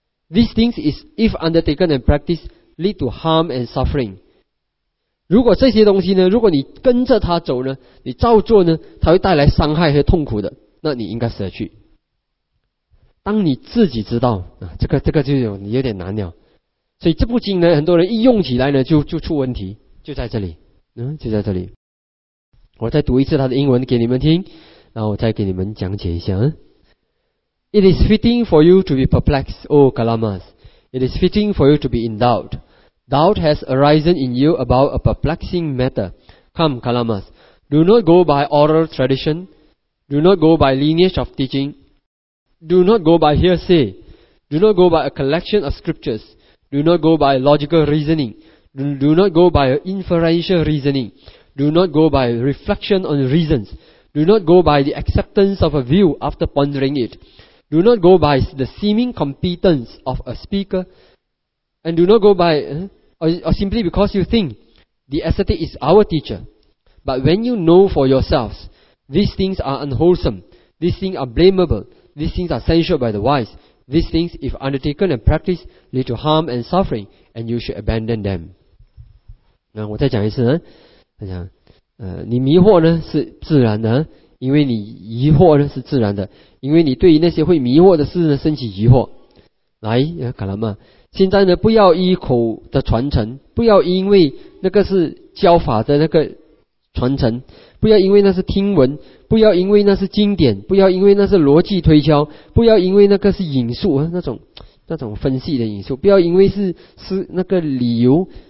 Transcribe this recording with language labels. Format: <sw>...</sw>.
<en>These things is, if undertaken and practiced, lead to harm and suffering.</en> <zh>如果这些东西呢，如果你跟着他走呢，你照做呢，它会带来伤害和痛苦的，那你应该舍去。当你自己知道这个就有点难了。所以这部经呢，很多人一用起来呢，就出问题，就在这里，就在这里。我再读一次他的英文给你们听，然后我再给你们讲解一下。</zh> <en>It is fitting for you to be perplexed, O Kalamas. It is fitting for you to be in doubt. Doubt has arisen in you about a perplexing matter. Come, Kalamas, do not go by oral tradition. Do not go by lineage of teaching. Do not go by hearsay. Do not go by a collection of scriptures. Do not go by logical reasoning. Do not go by inferential reasoning. Do not go by reflection on reasons. Do not go by the acceptance of a view after pondering it. Do not go by the seeming competence of a speaker. And do not go by, or simply because you think, the ascetic is our teacher. But when you know for yourselves, these things are unwholesome, these things are blamable, these things are censured by the wise, these things, if undertaken and practiced, lead to harm and suffering, and you should abandon them.</en> <zh>那我再讲一次呢，他讲，你迷惑呢是自然的，因为你疑惑呢是自然的，因为你对于那些会迷惑的事呢升起疑惑。来，卡拉曼，现在呢不要依口的传承，不要因为那个是教法的那个传承，不要因为那是听闻，不要因为那是经典，不要因为那是逻辑推敲，不要因为那个是引述那种分析的引述，不要因为是那个理由。</zh>